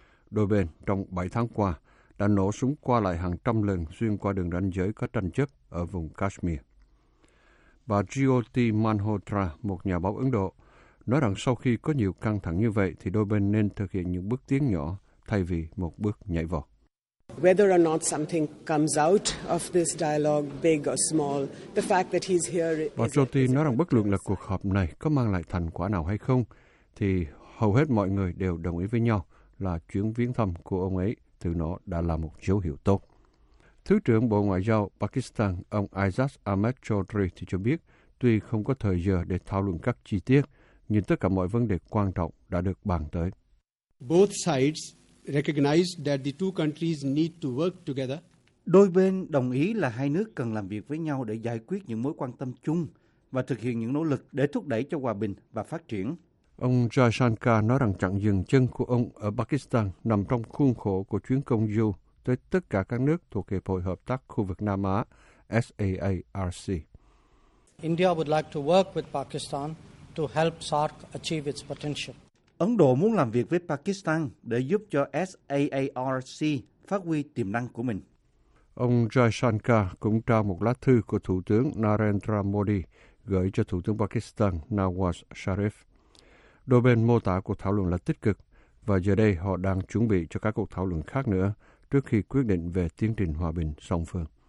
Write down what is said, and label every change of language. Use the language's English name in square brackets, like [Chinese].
[Vietnamese] Đôi bên trong 7 tháng qua đã nổ súng qua lại hàng trăm lần xuyên qua đường ranh giới có tranh chấp ở vùng Kashmir. Bà Jyoti Manhotra, một nhà báo Ấn Độ, nói rằng sau khi có nhiều căng thẳng như vậy thì đôi bên nên thực hiện những bước tiến nhỏ thay vì một bước nhảy vọt. [English] Whether or not something comes out of this dialogue, big or small, the fact that he's here is... [Vietnamese] Bà Jyoti nói rằng bất luận là cuộc họp này có mang lại thành quả nào hay không, thì hầu hết mọi người đều đồng ý với nhau là chuyến viếng thăm của ông ấy từ nó đã là một dấu hiệu tốt. Thứ trưởng Bộ Ngoại giao Pakistan, ông Izaz Ahmed Chaudhry thì cho biết, tuy không có thời giờ để thảo luận các chi tiết, nhưng tất cả mọi vấn đề quan trọng đã được bàn tới. [English] Both sides recognize that the two countries need to work together. [Vietnamese] Đôi bên đồng ý là hai nước cần làm việc với nhau để giải quyết những mối quan tâm chung và thực hiện những nỗ lực để thúc đẩy cho hòa bình và phát triển. Ông Jaishankar nói rằng chặng dừng chân của ông ở Pakistan nằm trong khuôn khổ của chuyến công du tới tất cả các nước thuộc Hiệp hội Hợp tác Khu vực Nam Á, SAARC. [English] India would like to work with Pakistan to help SAARC achieve its potential. [Vietnamese] Ấn Độ muốn làm việc với Pakistan để giúp cho SAARC phát huy tiềm năng của mình. Ông Jaishankar cũng trao một lá thư của Thủ tướng Narendra Modi gửi cho Thủ tướng Pakistan Nawaz Sharif. Đôi bên mô tả cuộc thảo luận là tích cực và giờ đây họ đang chuẩn bị cho các cuộc thảo luận khác nữa trước khi quyết định về tiến trình hòa bình song phương.